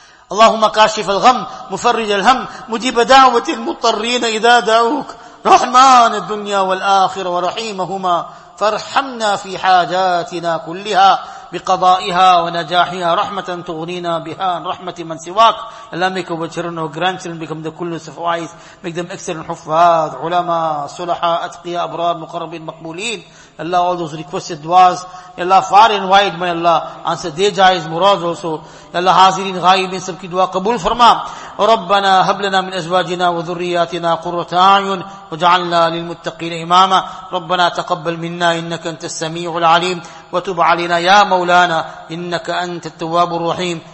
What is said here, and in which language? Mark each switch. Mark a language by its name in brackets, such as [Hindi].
[Arabic] اللهم كاشف الغم مفرج الهم مجيب دعوة المضطرين إذا دعوك رحمن الدنيا والآخرة ورحيمهما فارحمنا في حاجاتنا كلها بقضائها ونجاحها رحمة تغنينا بها رحمة من سواك. [English] Allah make our children and our grandchildren become the coolness of wise. Make them excellent [Arabic] حفاظ علماء صلحاء أتقياء أبرار مقربين مقبولين. [English] Allah all those requested duas. Allah far and wide my Allah answer their jaiz murad also. [Arabic] Allah [Urdu] حاضرين غائبين سب کی دعا قبول فرما. [Arabic] ربنا هب لنا من أزواجنا وذرياتنا قرة أعين وجعلنا للمتقين إماما. ربنا تقبل منا إنك أنت السميع العليم وتب علينا يا مولانا إنك أنت التواب الرحيم.